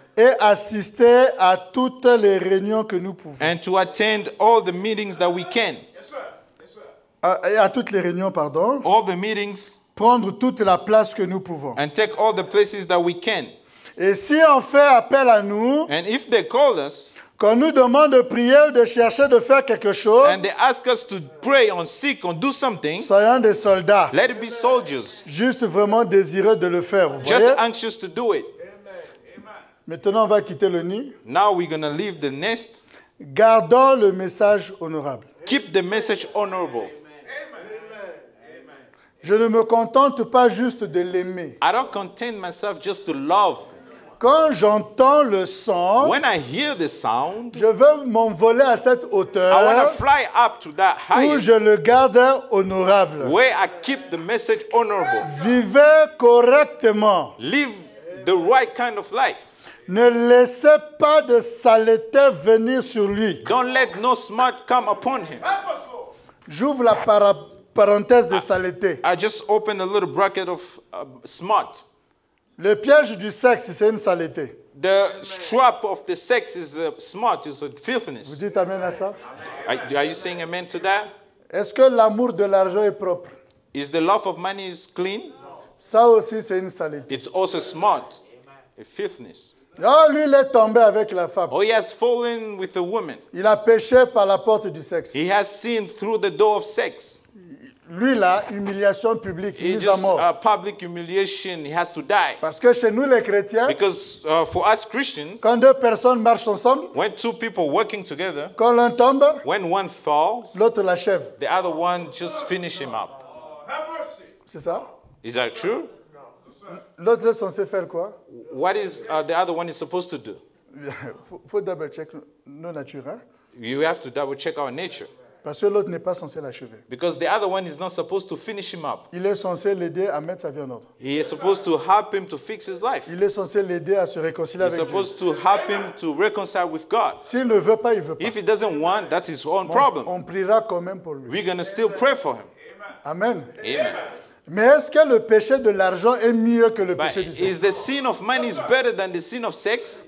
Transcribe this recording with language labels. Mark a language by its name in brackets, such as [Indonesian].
[French] Et assister à toutes les réunions que nous pouvons. [English] And to attend all the meetings that we can. Yes, sir. Yes, sir. [French] À toutes les réunions, pardon. [English] All the meetings. [French] Prendre toute la place que nous pouvons. [English] And take all the places that we can. [French] Et si on fait appel à nous. [English] And if they call us. [French] Qu'on nous demande de prier ou de chercher de faire quelque chose. [English] And they ask us to pray or seek or do something. [French] Soyons des soldats. [English] Let it be soldiers. [French] Juste vraiment désireux de le faire. Vous [English] just [French] voyez? [English] Anxious to do it. [French] Maintenant, on va quitter le nid. [English] Now we're gonna leave the nest. [French] Gardons le message honorable. [English] Keep the message honorable. [French] Je ne me contente pas juste de l'aimer. [English] I don't content myself just to love. [French] Quand j'entends le son, [English] when I hear the sound, [French] je veux m'envoler à cette hauteur. [English] I wanna fly up to that highest. [French] Où je le garde honorable. [English] Where I keep the message honorable. [French] Vivez correctement. [English] Live the right kind of life. [French] Ne laissez pas de saleté venir sur lui. [English] Don't let no smut come upon him. [French] J'ouvre la parenthèse de saleté. [English] I just open a little bracket of smut. [French] Le piège du sexe, c'est une saleté. [English] The trap of the sex is a smut, is a filthiness. [French] Vous dites amen à ça? [English] Are you saying amen to that? [French] Est-ce que l'amour de l'argent est propre? [English] Is the love of money is clean? [French] Ça aussi, c'est une saleté. [English] It's also smut, a filthiness. [French] Oh, lui, il est tombé avec la femme. [English] Oh, he has fallen with a woman. [French] Il a péché par la porte du sexe. [English] He has sinned through the door of sex. [French] Lui, là, humiliation publique, [English] he [French] mise à mort. [English] Just, public humiliation, he has to die. [French] Parce que chez nous, les chrétiens, [English] because, for us Christians, [French] quand deux personnes marchent ensemble, [English] when two people working together, [French] quand l'un tombe, [English] when one falls, [French] l'autre l'achève. [English] The other one just finish him up. [French] C'est ça? [English] Is that true? [French] L'autre est censé faire quoi? [English] What is the other one is supposed to do? [French] Faut double check nos natures. [English] You have to double check our nature. [French] Parce que l'autre n'est pas censé l'achever. [English] Because the other one is not supposed to finish him up. [French] Il est censé l'aider à mettre sa vie en ordre. [English] He is supposed to help him to fix his life. [French] Il est censé l'aider à se réconcilier avec Dieu. [English] He's supposed to help him to reconcile with God. [French] S'il ne veut pas, il veut pas. [English] If he doesn't want, that's his own problem. [French] On priera quand même pour lui. [English] We're gonna still pray for him. [French] Amen. [English] Amen. [French] Mais est-ce que le péché de l'argent est mieux que le [English] but [French] péché du sexe? [English] Is the sin of money is better than the sin of sex?